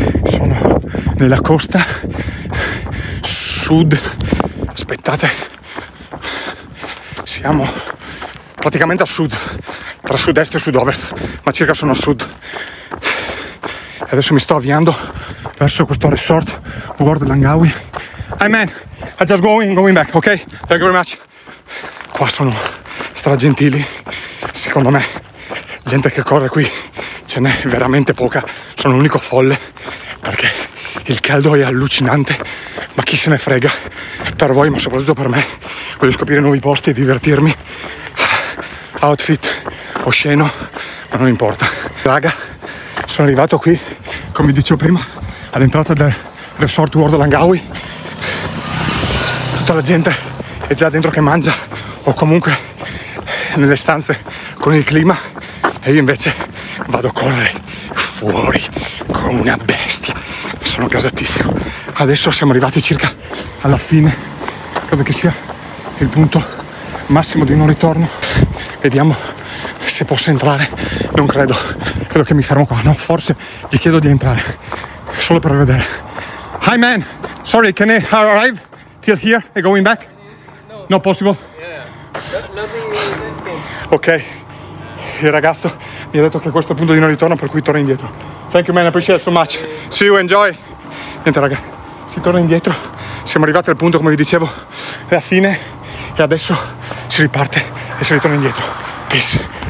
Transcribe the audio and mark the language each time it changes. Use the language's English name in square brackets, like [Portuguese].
[Italian] Sono nella costa sud, aspettate, siamo praticamente a sud, tra sud-est e sud-ovest, ma circa sono a sud. Adesso mi sto avviando verso questo resort World Langawi. [English] Hey man, I'm just going back, ok? Thank you very much. [Italian] Qua sono stragentili, secondo me gente che corre qui ce n'è veramente poca, sono l'unico folle perché il caldo è allucinante, ma chi se ne frega, per voi ma soprattutto per me, voglio scoprire nuovi posti e divertirmi. Outfit osceno, ma non importa. Raga, sono arrivato qui, come dicevo prima, all'entrata del Resort World Langawi. Tutta la gente è già dentro che mangia o comunque nelle stanze con il clima, e io invece vado a correre fuori come una bestia. Sono gasatissimo. Adesso siamo arrivati circa alla fine, credo che sia il punto massimo di non ritorno. Vediamo se posso entrare, non credo, credo che mi fermo qua, no, forse gli chiedo di entrare solo per vedere. [English] Hi man, sorry, can I arrive till here and going back? No, not possible. Yeah. [Italian] Ok, il ragazzo mi ha detto che questo è il punto di non ritorno, per cui torno indietro. [English] Thank you man, appreciate it so much. See you, enjoy. [Italian] niente raga, si torna indietro, siamo arrivati al punto, come vi dicevo, è la fine e adesso si riparte e si ritorna indietro. Peace.